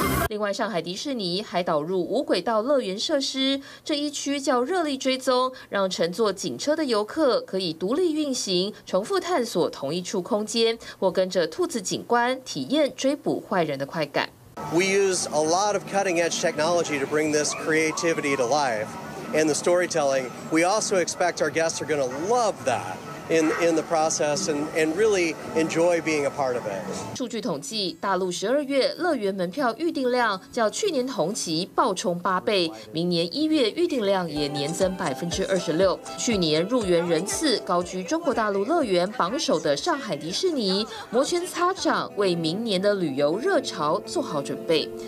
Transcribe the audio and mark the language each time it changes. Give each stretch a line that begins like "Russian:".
Chinese: 另外，上海迪士尼还导入无轨道乐园设施，这一区叫热力追踪，让乘坐警车的游客可以独立运行，重复探索同一处空间，或跟着兔子警官体验追捕坏人的快感。
English: We use a lot of cutting-edge technology to bring this creativity to life, and the storytelling. We also expect our guests are going to love that. In the process and really enjoy being a part of it.
Chinese: 数据统计，大陆12月乐园门票预订量较去年同期暴冲八倍，明年一月预订量也年增26%。去年入园人次高居中国大陆乐园榜首的上海迪士尼，摩拳擦掌为明年的旅游热潮做好准备。